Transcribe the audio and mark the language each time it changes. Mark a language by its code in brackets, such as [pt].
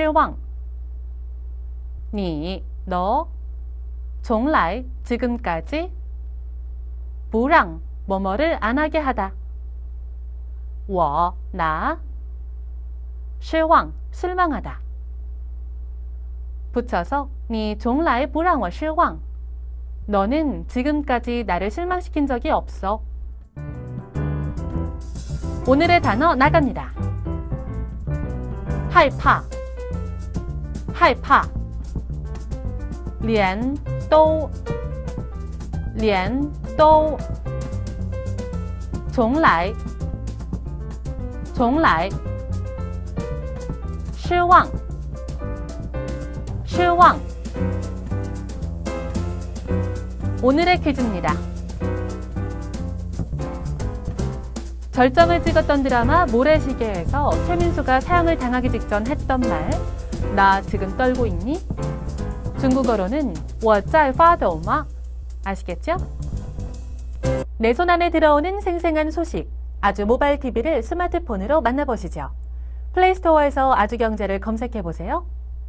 [zh] 你从来不让我失望.你从来不让我失望.你,너. [ko] 从来, 지금까지, 不让, 뭐뭐를 안 하게 하다. 我, 나, 失望, 실망하다. [zh] 붙여서, 你从来不让我失望. [ko] 너는 지금까지 나를 실망시킨 적이 없어. 오늘의 단어 나갑니다. [zh] 害怕, 害怕, 连, 都, 连都, 从来, 从来, 失望, 失望. [ko] 오늘의 퀴즈입니다. 절정을 찍었던 드라마 모래시계에서 최민수가 사형을 당하기 직전 했던 말, 나 지금 떨고 있니? 중국어로는 [zh] 我在发抖吗? [ko] 아시겠죠? 내 손 안에 들어오는 생생한 소식, 아주 모바일 TV를 스마트폰으로 만나보시죠. 플레이스토어에서 아주경제를 검색해보세요.